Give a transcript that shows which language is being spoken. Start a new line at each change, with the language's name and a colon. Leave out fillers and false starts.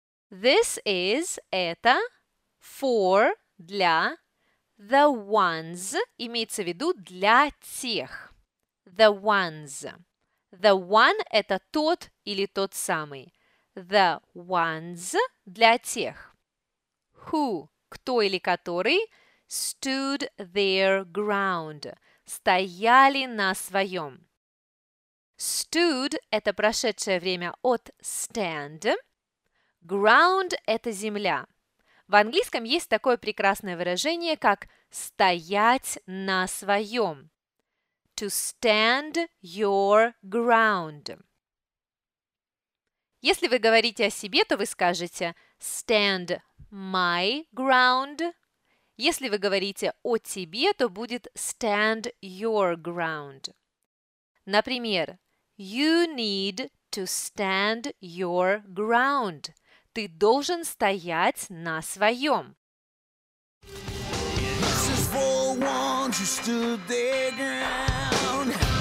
English: This is,
Russian: это, for, для,
English: the ones,
Russian: имеется в виду для тех.
English: The ones. The one
Russian: – это тот или тот самый.
English: The ones
Russian: – для тех.
English: Who –
Russian: кто или который
English: – stood their ground.
Russian: Стояли на своем. Stood – это прошедшее время от stand. Ground – это земля. В английском есть такое прекрасное выражение, как стоять на своем.
English: To stand your ground.
Russian: Если вы говорите о себе, то вы скажете
English: stand my ground.
Russian: Если вы говорите о тебе, то будет
English: stand your ground. Например, you need to stand your ground.
Russian: Ты должен стоять на своем.
English: This is for ones who stood their ground.